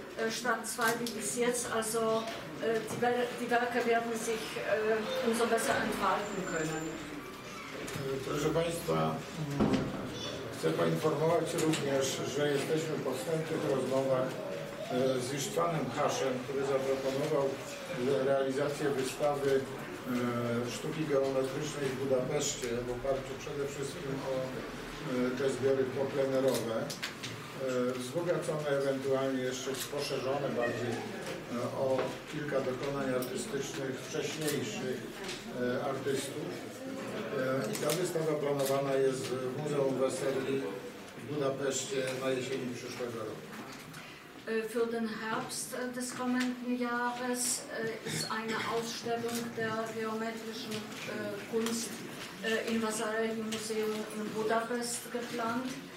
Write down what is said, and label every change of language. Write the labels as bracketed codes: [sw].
[de] Statt zwei wie bis jetzt, also die Werke werden sich umso besser entfalten können. [pl] Proszę Państwa, chcę poinformować również, że jesteśmy po wstępnych rozmowach z Istvánem Hašem, który zaproponował realizację wystawy sztuki geometrycznej w Budapeszcie w oparciu przede wszystkim o te zbiory poplenerowe. Wzbogacone ewentualnie jeszcze poszerzone bardziej o kilka dokonań artystycznych wcześniejszych artystów. I ta wystawa planowana jest w Muzeum Weseli w Budapeszcie na jesieni przyszłego roku. [de] Für den Herbst des kommenden Jahres ist eine Ausstellung der geometrischen Kunst im Vasarely Museum in Budapest geplant.